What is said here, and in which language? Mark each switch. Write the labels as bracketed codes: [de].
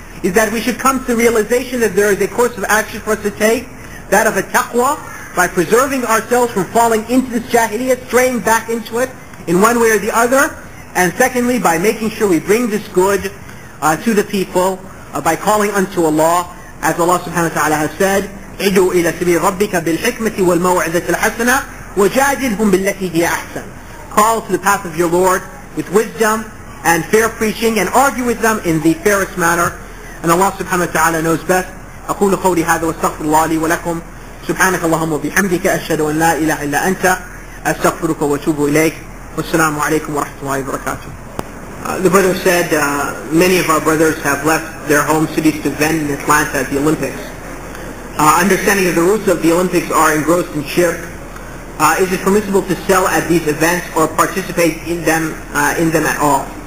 [en] is that we should come to the realization that there is a course of action for us to take, that of a taqwa, by preserving ourselves from falling into this Jahiliyyah, straying back into it in one way or the other, and secondly, by making sure we bring this good to the people by calling unto Allah, as Allah subhanahu wa ta'ala has said, [ar] عِدُوا إِلَى سَبِيلِ رَبِّكَ بِالْحِكْمَةِ وَالْمَوْعِذَةِ الْحَسَنَةِ وَجَادِلْهُمْ بِالَّتِي هِيَ أَحْسَنَ. [en] Call to the path of your Lord with wisdom and fair preaching, and argue with them in the fairest manner. And Allah subhanahu wa ta'ala knows best. [ar] أقول قولي هذا واستغفر الله لي ولكم. سبحانك اللهم وبحمدك أشهد أن لا إله إلا أنت أستغفرك وأتوب إليك. والسلام عليكم ورحمة الله وبركاته. [en] The brother said, many of our brothers have left their home cities to vend in Atlanta at the Olympics. Understanding that the roots of the Olympics are engrossed in shirk, is it permissible to sell at these events or participate in them at all?